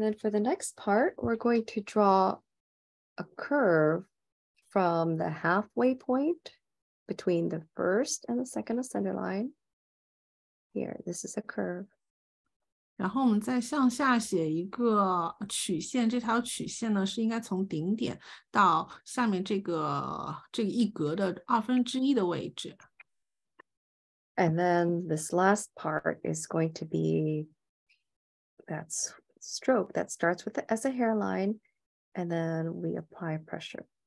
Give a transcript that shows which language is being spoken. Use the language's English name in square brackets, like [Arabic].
[English] then for the next part, we're going to draw a curve from the halfway point between the first and the second ascender line. Here, this is a curve. [Chinese] 然后我们再向下写一个曲线，这条曲线呢是应该从顶点到下面这个一格的二分之一的位置。 [English] And then this last part is going to be that stroke that starts with the S a hairline, and then we apply pressure.